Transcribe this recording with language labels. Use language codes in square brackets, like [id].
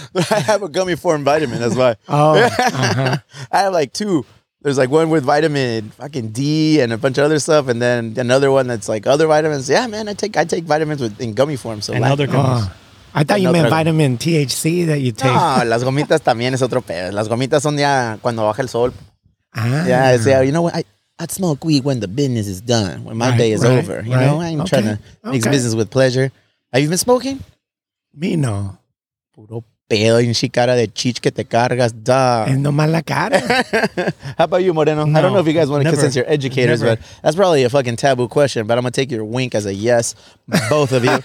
[en] I have a gummy form vitamin. That's why. Oh. Uh-huh. I have like two. There's like one with vitamin fucking D and a bunch of other stuff, and then another one that's like other vitamins. Yeah, man, I take vitamins in gummy form. So and other gummies. I thought you meant vitamin THC that you take. [es] No, las gomitas también es otro pedo. Las gomitas son ya cuando baja el sol. Ah. [en] Yeah, you know what? I'd smoke weed when the business is done, when my day is over. You know, I ain't trying to mix business with pleasure. Have you been smoking? [es] Me, no. Puro pedo y cara de chich que te cargas, duh. No mala cara. [en] How about you, Moreno? No, I don't know if you guys want to, since you're educators, but that's probably a fucking taboo question, but I'm going to take your wink as a yes, both of you.